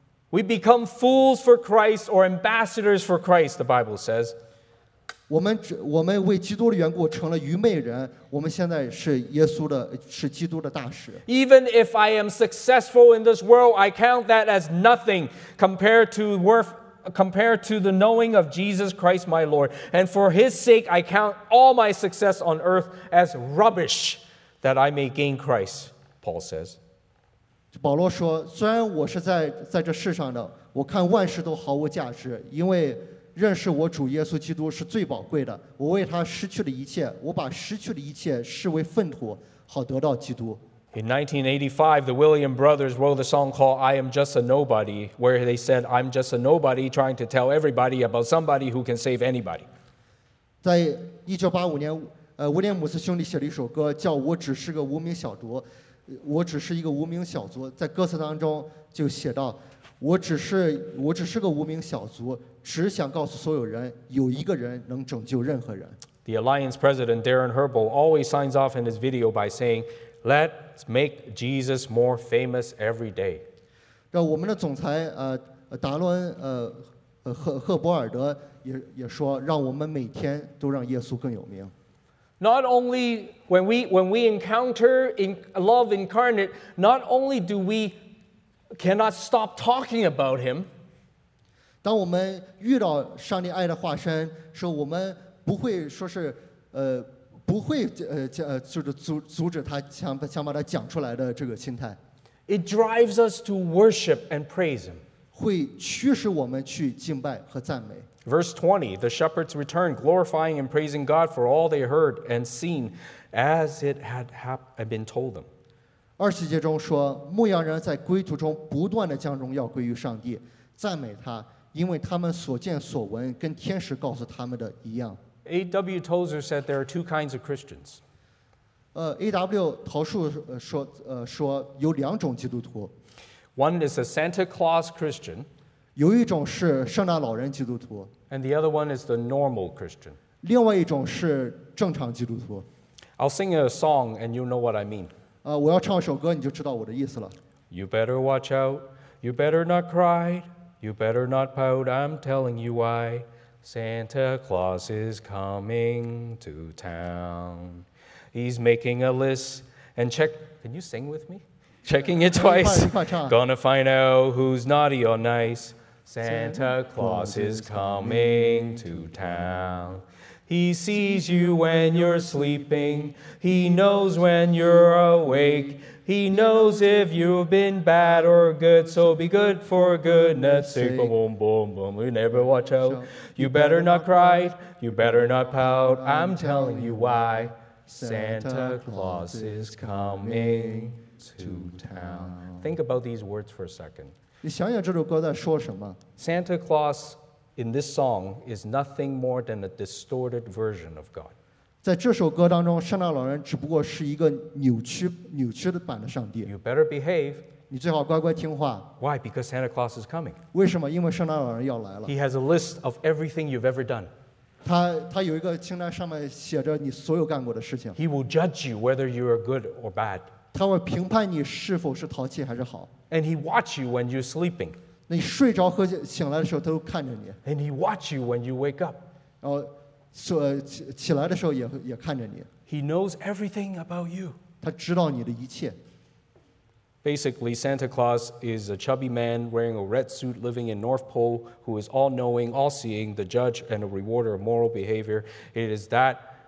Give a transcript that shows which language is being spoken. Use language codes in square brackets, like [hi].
[en] We become fools for Christ or ambassadors for Christ, the Bible says. [zh] 我们为基督的缘故成了愚昧人，我们现在是耶稣的，是基督的大使。 [en] Even if I am successful in this world, I count that as nothing compared to the knowing of Jesus Christ my Lord. And for his sake, I count all my success on earth as rubbish that I may gain Christ, Paul says. [zh] 保罗说，虽然我是在这世上的，我看万事都毫无价值，因为认识我主耶稣基督是最宝贵的，我为他失去了一切，我把失去的一切视为粪土，好得到基督。 [en] In 1985, the William brothers wrote a song called I Am Just a Nobody, where they said, I'm just a nobody trying to tell everybody about somebody who can save anybody. [zh] 在1985年，威廉姆斯兄弟写了一首歌，叫我只是个无名小卒，我只是一个无名小卒，在歌词当中就写到，我只是个无名小卒，只想告诉所有人，有一个人能拯救任何人。 [en] The Alliance president, Darren Herbel, always signs off in his video by saying,Let's make Jesus more famous every day. [zh] 让我们的总裁达伦赫伯尔德也说，让我们每天都让耶稣更有名。 [en] Not only when we encounter in love incarnate, not only do we cannot stop talking about him. [zh] 当我们遇到上帝爱的化身，说我们不会说是不会就是阻止他想把他讲出来的这个心态。 [en] It drives us to worship and praise him. [zh] 会驱使我们去敬拜和赞美。 [en] Verse 20, the shepherds returned, glorifying and praising God for all they heard and seen as it had been told them. [zh] 二十节中说，牧羊人在归途中不断地将荣耀归于上帝，赞美他，因为他们所见所闻跟天使告诉他们的一样。 [en] A.W. Tozer said there are two kinds of Christians. [zh] A.W. 陶树说有两种基督徒。 [en] One is a Santa Claus Christian. [zh] 有一种是圣诞老人基督徒。 [en] And the other one is the normal Christian. [zh] 另外一种是正常基督徒。 [en] I'll sing a song and you'll know what I mean. [zh] 我要唱一首歌你就知道我的意思了。 [en] You better watch out. You better not cry. You better not pout. I'm telling you why. Santa Claus is coming to town. He's making a list and check. Can you sing with me? Checking it twice. Gonna find out who's naughty or nice. Santa Claus is coming to town. He sees you when you're sleeping. He knows when you're awake. He knows if you've been bad or good. So be good for goodness sake. Boom, boom, boom, boom. You never watch out. You better not cry, you better not pout, I'm telling you why, Santa Claus is coming to town. Think about these words for a second. [zh] 你想想这首歌在说什么? [en] Santa Claus in this song is nothing more than a distorted version of God. [zh] 在这首歌当中,圣诞老人只不过是一个扭曲的版的上帝。 [en] You better behave. [zh] 你最好乖乖听话。 [en] Why? Because Santa Claus is coming. [zh] 为什么？因为圣诞老人要来了。 [en] He has a list of everything you've ever done. [zh] 他有一个清单，上面写着你所有干过的事情。 [en] He will judge you whether you are good or bad. [zh] 他会评判你是否是淘气还是好。 [en] And he watches you when you're sleeping. [zh] 你睡着和醒来的时候，他都看着你。 [en] And he watches you when you wake up. [zh] 然后起来的时候也看着你。 [en] He knows everything about you. [zh] 他知道你的一切。 [en] Basically, Santa Claus is a chubby man wearing a red suit living in North Pole who is all-knowing, all-seeing, the judge, and a rewarder of moral behavior. It is that